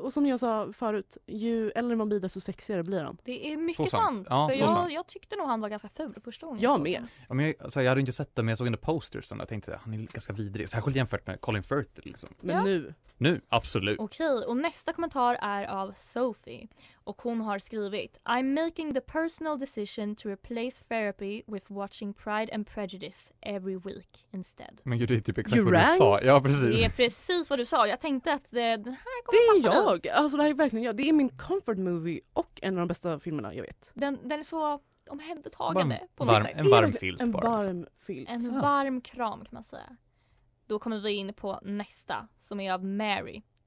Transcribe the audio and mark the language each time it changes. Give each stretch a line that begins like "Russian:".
Swedish: Och som jag sa förut, ju äldre man blir desto sexigare blir han. Det är mycket sant. Ja, för jag tyckte nog han var ganska ful första gången. Jag med. Ja, men jag hade inte sett det, men jag såg
English: in the posters
Swedish: och jag tänkte att han är ganska vidrig. Särskilt jämfört med Colin Firth. Liksom. Men ja. Nu? Nu, absolut. Okej, och nästa kommentar är av Sophie. Och hon har skrivit
English: I'm making the personal decision to replace therapy with watching Pride and Prejudice every week instead.
Swedish: Men gud, det är typ exakt you vad rang? Du sa. Ja, precis. Det är precis vad du sa. Jag tänkte att den här kommer passa. Det är jag. Ut. Alltså, det här är verkligen jag. Det är min comfort movie och en av de bästa filmerna jag vet. Den är så omhändertagande på något sätt. En varm filt. En varm filt. En varm kram kan man säga. Då kommer vi in på nästa som är av Mary.